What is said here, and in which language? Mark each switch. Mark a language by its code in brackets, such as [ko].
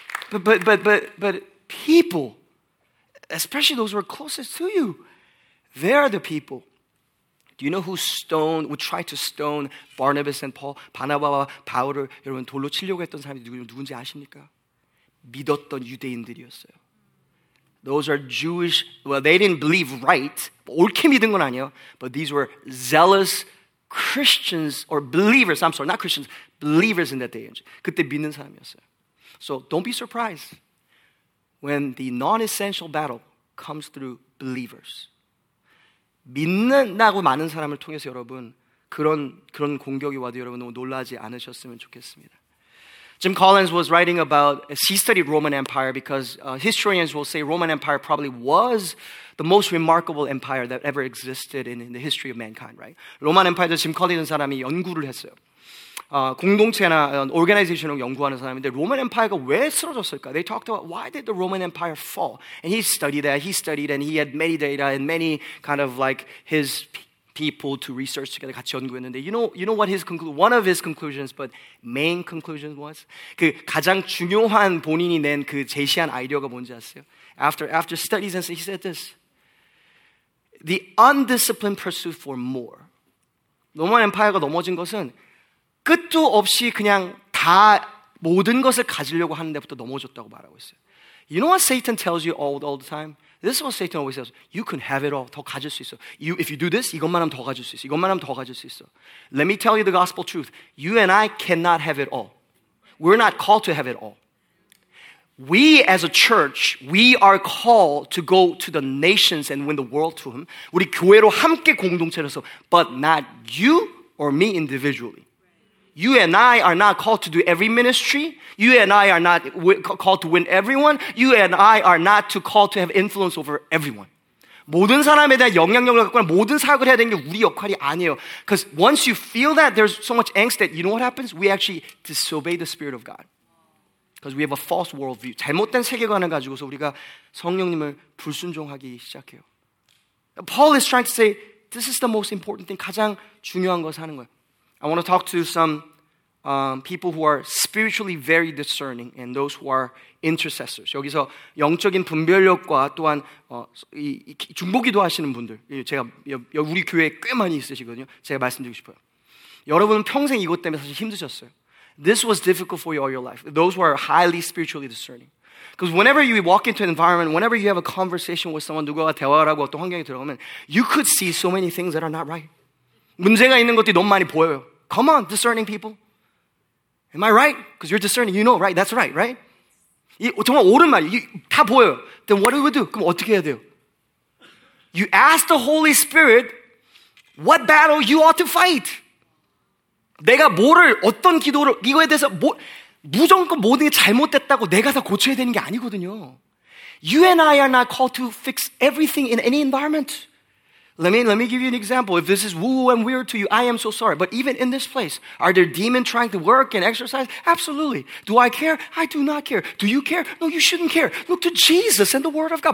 [en] But people, especially those who are closest to you, they are the people. Do you know who would try to stone Barnabas and Paul? [ko] 바나바와 바울을 여러분 돌로 치려고 했던 사람이 누군지 아십니까? 믿었던 유대인들이었어요. [en] Those are Jewish, well, they didn't believe right. [ko] 옳게 믿은 건 아니에요. [en] But these were zealous Christians or believers. I'm sorry, not Christians. Believers in that day. [ko] 그때 믿는 사람이었어요. [en] So don't be surprised when the non-essential battle comes through believers. [ko] 믿는다고 많은 사람을 통해서 여러분, 그런 공격이 와도 여러분 너무 놀라지 않으셨으면 좋겠습니다. [en] Jim Collins was writing about, he studied Roman Empire because historians will say Roman Empire probably was the most remarkable empire that ever existed in the history of mankind, right? [ko] 로만 엠파이어 짐 컬린스 사람이 연구를 했어요. 공동체나 organization을 연구하는 사람인데 로만 엠파이어가 왜 쓰러졌을까? [en] They talked about why did the Roman Empire fall? And he studied that, he studied and he had many data and many kind of like his people to research together, [ko] 같이 연구했는데 [en] you know what his conclusion, one of his conclusions, but main conclusion was? [ko] 그 가장 중요한 본인이 낸 그 제시한 아이디어가 뭔지 아세요? [en] After studies, and so he said this, the undisciplined pursuit for more. [ko] 로마 엠파이어가 넘어진 것은 끝도 없이 그냥 다 모든 것을 가지려고 하는 데부터 넘어졌다고 말하고 있어요. [en] You know what Satan tells you all the time? This is what Satan always says. You can have it all. [ko] 더 가질 수 있어. [en] You, if you do this, [ko] 이것만 하면 더 가질 수 있어. 이것만 하면 더 가질 수 있어. [en] Let me tell you the gospel truth. You and I cannot have it all. We're not called to have it all. We as a church, we are called to go to the nations and win the world to him. [ko] 우리 교회로 함께 공동체로서. [en] But not you or me individually. You and I are not called to do every ministry. You and I are not called to win everyone. You and I are not to call to have influence over everyone. [ko] 모든 사람에 대한 영향력을 갖고 모든 사역을 해야 되는 게 우리 역할이 아니에요. [en] Because once you feel that, there's so much angst that you know what happens? We actually disobey the Spirit of God. Because we have a false worldview. [ko] 잘못된 세계관을 가지고서 우리가 성령님을 불순종하기 시작해요. [en] Paul is trying to say, this is the most important thing. [ko] 가장 중요한 것을 하는 거예요. [en] I want to talk to some people who are spiritually very discerning and those who are intercessors. [ko] 여기서 영적인 분별력과 또한 중보기도 하시는 분들 제가 우리 교회에 꽤 많이 있으시거든요. 제가 말씀드리고 싶어요. 여러분은 평생 이것 때문에 사실 힘드셨어요. [en] This was difficult for you all your life. Those who are highly spiritually discerning. Because whenever you walk into an environment, whenever you have a conversation with someone, [ko] 누구와 대화를 하고 어떤 환경에 들어가면 [en] you could see so many things that are not right. [ko] 문제가 있는 것들이 너무 많이 보여요. [en] Come on, discerning people. Am I right? Because you're discerning. You know, right? That's right, right? [ko] 정말 옳은 말이에요. 다 보여요. [en] Then what do we do? [ko] 그럼 어떻게 해야 돼요? [en] You ask the Holy Spirit what battle you ought to fight. [ko] 내가 뭐를, 어떤 기도를, 이거에 대해서 무조건 모든 게 잘못됐다고 내가 다 고쳐야 되는 게 아니거든요. [en] You and I are not called to fix everything in any environment. Let me give you an example. If this is woo-woo and weird to you, I am so sorry. But even in this place, are there demons trying to work and exercise? Absolutely. Do I care? I do not care. Do you care? No, you shouldn't care. Look to Jesus and the Word of God.